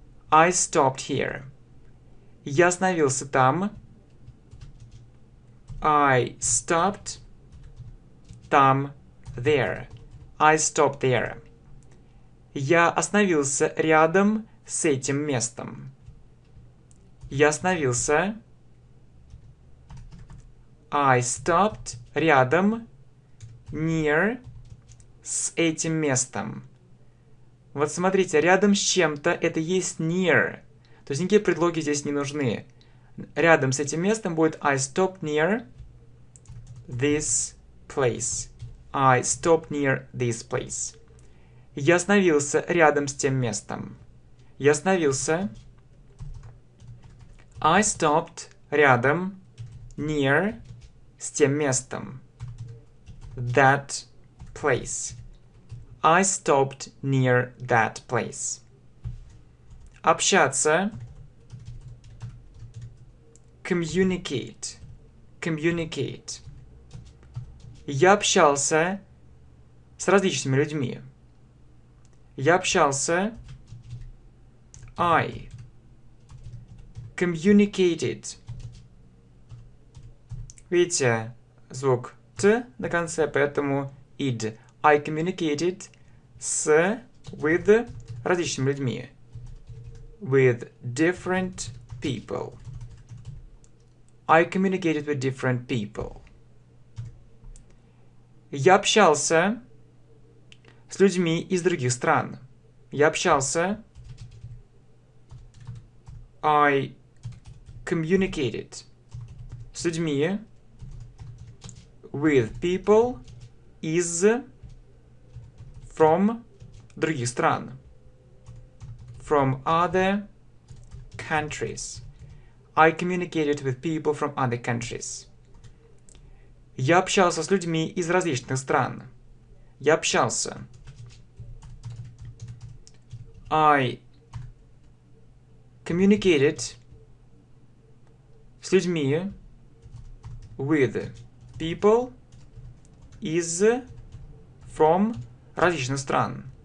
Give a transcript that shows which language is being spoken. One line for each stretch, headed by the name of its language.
English: I stopped here.
Russian: Я остановился там.
English: I stopped.
Russian: Там.
English: There. I stopped there.
Russian: Я остановился рядом с этим местом. Я остановился.
English: I stopped
Russian: рядом.
English: Near.
Russian: С этим местом. Вот смотрите, рядом с чем-то это есть
English: near.
Russian: То есть никакие предлоги здесь не нужны. Рядом с этим местом будет
English: I stopped near this place. I stopped near this place.
Russian: Я остановился рядом с тем местом. Я остановился.
English: I stopped
Russian: рядом
English: near
Russian: с тем местом.
English: That place. I stopped near that place.
Russian: Общаться.
English: Communicate. Communicate.
Russian: Я общался с различными людьми. Я общался.
English: I communicated.
Russian: Видите, звук Т на конце, поэтому ид.
English: I communicated. С, with, различными людьми. With different people. I communicated with different people.
Russian: Я общался с людьми из других стран. Я общался.
English: I communicated
Russian: с людьми
English: with people
Russian: из...
English: From
Russian: других стран.
English: From other countries. I communicated with people from other countries.
Russian: Я общался с людьми из различных стран. Я общался.
English: I communicated
Russian: с людьми
English: with people is from
Russian: различных стран.